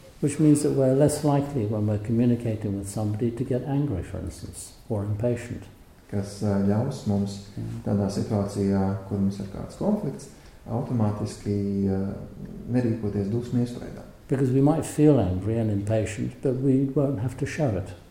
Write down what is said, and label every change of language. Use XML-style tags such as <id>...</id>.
<en>Which means that we're less likely when we're communicating with somebody to get angry, for instance, or impatient.</en> <lv>Kas ļaus mums tādā situācijā, kur mums ir kāds konflikts, automātiski nerīkoties dusmu iespaidā.</lv> <en>Because we might feel angry and impatient, but we won't have to show it.</en>